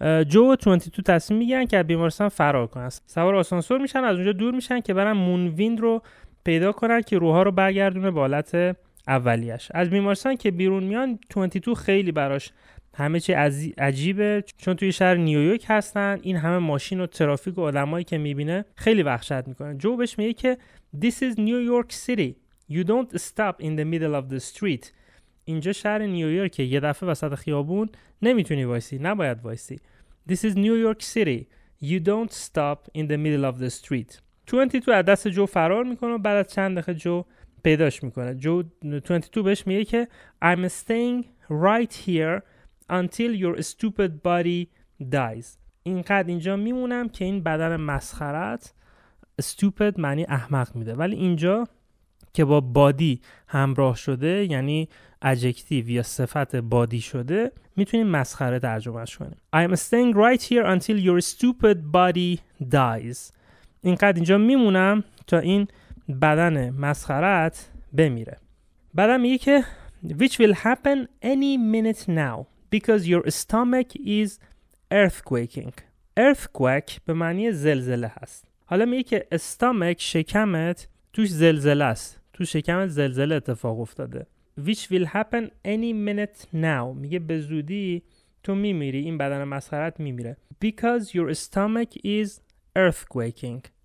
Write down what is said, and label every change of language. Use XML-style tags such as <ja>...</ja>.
<fa>جو و 22 تصمیم میگیرن که از بیمارستان فرار کنن. سوار آسانسور میشن، از اونجا دور میشن که برن مونویند رو پیدا کنن که روحا رو برگردونه به حالت اولیش. از بیمارستان که بیرون میان 22 خیلی براش همه چی عجیبه، چون توی شهر نیویورک هستن، این همه ماشین و ترافیک و آدمایی که میبینه خیلی وحشت میکنه. جو بهش میگه که</fa> <en>This is New York City. You don't stop in the middle of the street.</en> <fa>اینجا شهر نیویورک، یه دفعه وسط خیابون نمیتونی وایسی، نباید وایسی.</fa> <en>This is New York City. You don't stop in the middle of the street.</en> <fa>22 از دست جو فرار میکنه و بعد از چند دقیقه جو پیداش میکنه. جو 22 بهش میگه که</fa> <en>I'm staying right here until your stupid body dies.</en> <fa>اینقدر اینجا میمونم که این بدن مسخرت stupid معنی احمق میده، ولی اینجا که با body همراه شده، یعنی adjective یا صفت body شده، میتونیم مسخره ترجمهش کنیم.</fa> <en>I'm staying right here until your stupid body dies.</en> <fa>اینقدر اینجا میمونم تا این بدن مسخرت بمیره. بعد میگه که</fa> <en>which will happen any minute now because your stomach is earthquaking.</en> <fa>Earthquake به معنی زلزله هست. حالا میگه که stomach شکمت توش زلزله است. تو شکمت زلزله اتفاق افتاده.</fa> <en>Which will happen any minute now.</en> <fa>میگه به زودی تو میمیری، این بدن مسخرت میمیره.</fa> <en>Because your stomach is earthquaking.</en>